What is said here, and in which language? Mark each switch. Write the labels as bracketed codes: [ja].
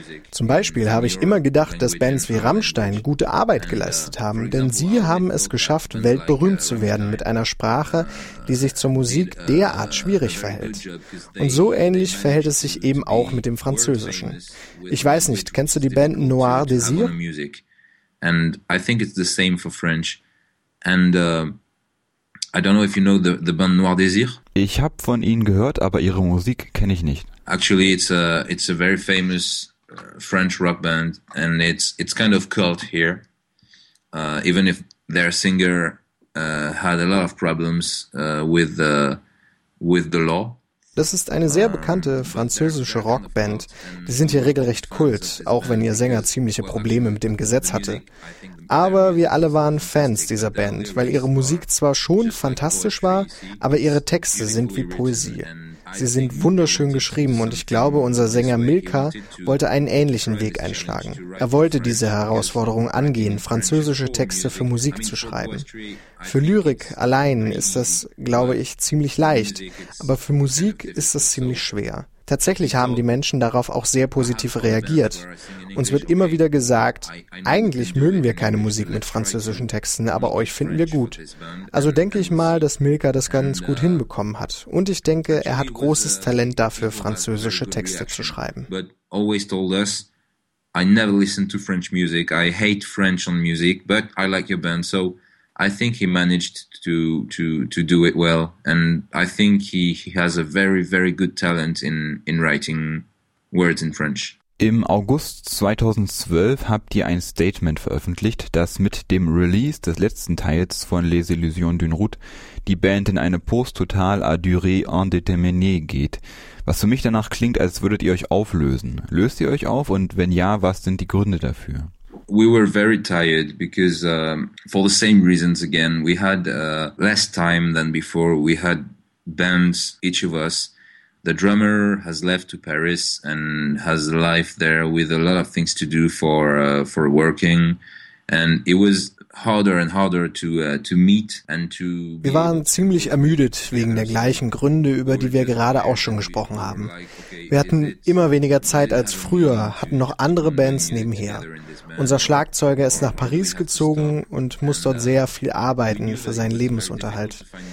[de] Zum Beispiel habe ich immer gedacht, dass Bands wie Rammstein gute Arbeit geleistet haben, denn sie haben es geschafft, weltberühmt zu werden mit einer Sprache, die sich zur Musik derart schwierig verhält. Und so ähnlich verhält es sich eben auch mit dem Französischen. Ich weiß nicht, kennst du die Band Noir Désir? [en] And I think it's the same for French. And I don't know if you know the band Noir Désir. [de] Ich habe von ihnen gehört, aber ihre Musik kenne ich nicht. [en] Actually, it's a very famous French rock band, and it's kind of cult here. Even if their singer had a lot of problems with the law. [de] Das ist eine sehr bekannte französische Rockband. Die sind hier regelrecht Kult, auch wenn ihr Sänger ziemliche Probleme mit dem Gesetz hatte. Aber wir alle waren Fans dieser Band, weil ihre Musik zwar schon fantastisch war, aber ihre Texte sind wie Poesie. Sie sind wunderschön geschrieben und ich glaube, unser Sänger Milka wollte einen ähnlichen Weg einschlagen. Er wollte diese Herausforderung angehen, französische Texte für Musik zu schreiben. Für Lyrik allein ist das, glaube ich, ziemlich leicht, aber für Musik ist das ziemlich schwer. Tatsächlich haben die Menschen darauf auch sehr positiv reagiert. Uns wird immer wieder gesagt, eigentlich mögen wir keine Musik mit französischen Texten, aber euch finden wir gut. Also denke ich mal, dass Milka das ganz gut hinbekommen hat. Und ich denke, er hat großes Talent dafür, französische Texte zu schreiben. [en] But always told us, I never listen to French music, I hate French on music, but I like your band, so I think he managed to do it well, and I think he has a very, very good talent in writing words in French. [de] Im August 2012 habt ihr ein Statement veröffentlicht, dass mit dem Release des letzten Teils von Les Illusions d'une Route die Band in eine Post-Total [fr] à durée indéterminée [de] geht. Was für mich danach klingt, als würdet ihr euch auflösen. Löst ihr euch auf, und wenn ja, was sind die Gründe dafür? [en] We were very tired because for the same reasons again, we had less time than before. We had bands, each of us. The drummer has left to Paris and has a life there with a lot of things to do for working. And it was harder and harder to meet and to... [de] Wir waren ziemlich ermüdet wegen der gleichen Gründe, über die wir gerade auch schon gesprochen haben. Wir hatten immer weniger Zeit als früher, hatten noch andere Bands nebenher. Unser Schlagzeuger ist nach Paris gezogen und muss dort sehr viel arbeiten für seinen Lebensunterhalt.